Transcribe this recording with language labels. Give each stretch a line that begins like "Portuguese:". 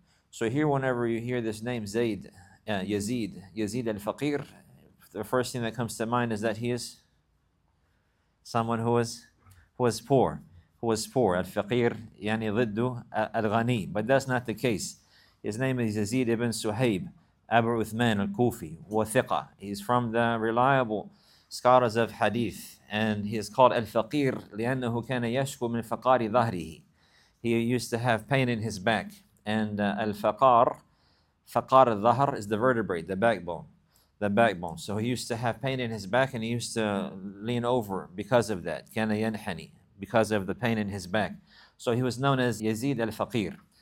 English: So here, whenever you hear this name, Yazid al-Faqir, the first thing that comes to mind is that he is someone who was poor, who was poor, al-faqir, yani ضده al-ghani. But that's not the case. His name is Yazid ibn Suhayb, Abu Uthman al-Kufi, wa thiqa. He's from the reliable scholars of hadith. And he is called al-faqir,
Arabic: لأنه كان يشكو من فقار ظهره.
English: He used to have pain in his back. And al-faqar, faqar al-dhahr, is the vertebrae, the backbone. The backbone. So he used to have pain in his back and he used to lean over because of that.
Arabic: كان ينحني,
English: because of the pain in his back. So he was known as Yazid al-Faqir.